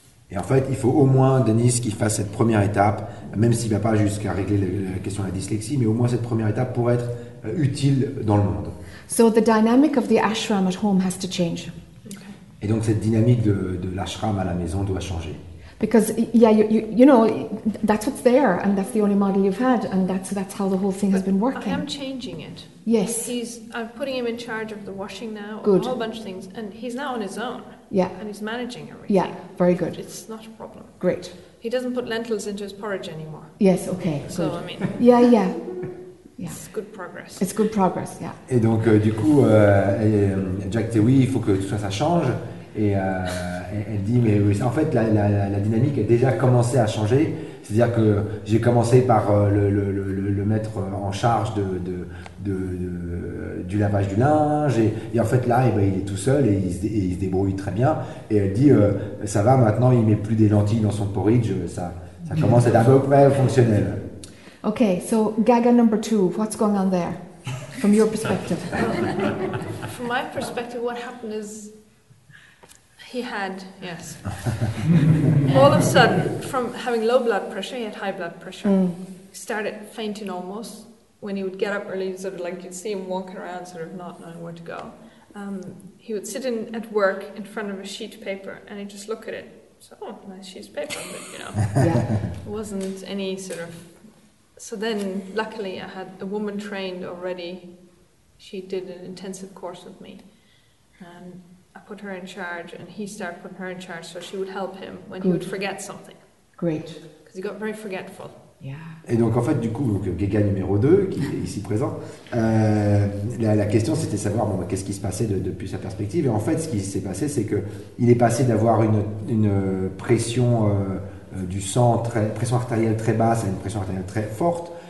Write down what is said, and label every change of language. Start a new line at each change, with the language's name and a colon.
French: Et en fait, il faut au moins, Denis, qu'il fasse cette première étape, même s'il ne va pas jusqu'à régler la question de la dyslexie, mais au moins cette première étape pour être utile dans le monde.
English: So the dynamic of the ashram at home has to change.
French: Et donc cette dynamique de l'ashram à la maison doit changer.
English: Because you know that's what's there and that's the only model you've had and that's how the whole thing has been working. I am changing it. Yes. I'm putting him in charge of the washing now. Good. A whole bunch of things and he's now on his own. Yeah. And he's managing everything. Yeah. Very good. It's not a problem. Great. He doesn't put lentils into his porridge anymore. Yes, okay. So, good. I mean... Yeah, yeah. It's good progress. It's good progress, yeah.
French: Et donc, du coup, Jack dit oui, il faut que tout ça, ça change. Et elle dit, mais oui, en fait, la dynamique a déjà commencé à changer. C'est-à-dire que j'ai commencé par le mettre en charge du lavage du linge. Et en fait, là, et ben, il est tout seul et il se débrouille très bien. Et elle dit, ça va, maintenant, il ne met plus des lentilles dans son porridge. Ça commence à être à peu près fonctionnel.
English: Okay, so Gaga number two, what's going on there from your perspective? From my perspective, what happened is he had, yes, all of a sudden, from having low blood pressure, he had high blood pressure, he started fainting almost when he would get up early, sort of like you'd see him walking around, sort of not knowing where to go. He would sit in at work in front of a sheet of paper and he'd just look at it. So, oh, nice sheet of paper, but you know, yeah. It wasn't any sort of... So then, luckily, I had a woman trained already. She did an intensive course with me. And I put her in charge, and he started putting her in charge so she would help him when he would forget something. Great. Because he got very forgetful. Yeah.
French: Et donc, en fait, du coup, donc, Gaga numéro 2, qui est ici présent, la question, c'était de savoir bon, qu'est-ce qui se passait depuis sa perspective. Et en fait, ce qui s'est passé, c'est qu'il est passé d'avoir une pression... du sang, pression artérielle très basse à une pression artérielle très forte.